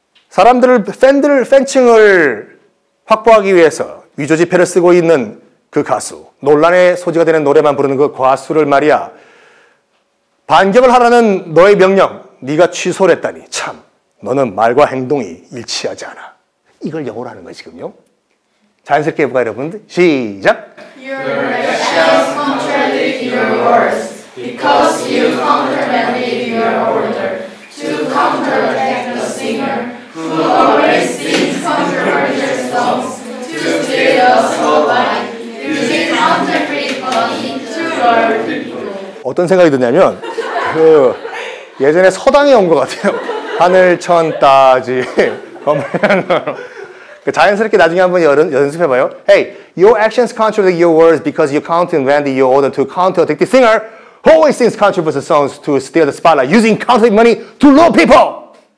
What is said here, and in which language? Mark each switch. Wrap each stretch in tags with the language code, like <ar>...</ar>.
<ko>사람들을 팬들을 팬층을 확보하기 위해서 위조 지폐를 쓰고 있는 그 가수 논란의 소지가 되는 노래만 부르는 그 가수를 말이야 반격을 하라는 너의 명령 네가 취소를 했다니 참 너는 말과 행동이 일치하지 않아. 이걸 영어로 하는 거지 금요. 자연스럽게 해볼까요, 여러분들? 시작!</ko> <en>Your actions contradict your words because you countermanded your order to counterattack the singer who always sings controversial songs to steal the spotlight using counterfeit money to lure people.</en> <ko>어떤 생각이 드냐면 그 예전에 서당에 온 것 같아요. 하늘천 따지 검은 양으로 자연스럽게 나중에 한번 연습해봐요.</ko> <en>Hey, your actions contradict your words because you countermanded your order to counterattack the singer who always sings controversial songs to steal the spotlight using counterfeit money to lure people.</en>